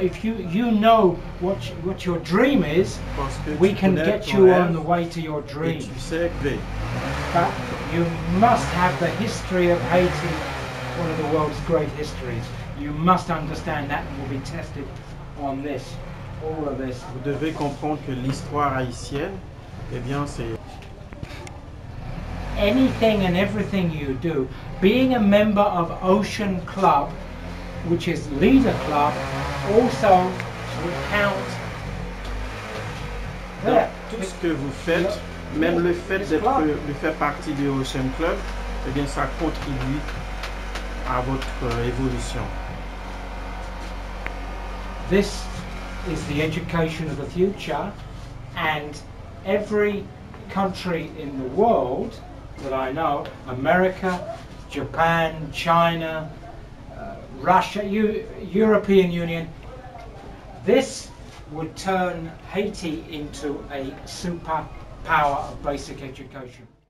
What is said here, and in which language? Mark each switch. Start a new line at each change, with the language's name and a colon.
English: If you know what your dream is, we can get you on the way to your dream. But you must have the history of Haiti. One of the world's great histories. You must understand that and will be tested on this, all of this.
French: Vous devez comprendre que l'histoire haïtienne, eh bien, c'est.
English: Anything and everything you do, being a member of Ocean Club, which is leader club, also would count.
French: Donc, tout ce que vous faites, même le fait de faire partie du Ocean Club, eh bien, ça contribue. À votre évolution.
English: This is the education of the future, and every country in the world that I know, America, Japan, China, Russia, European Union, this would turn Haiti into a superpower of basic education.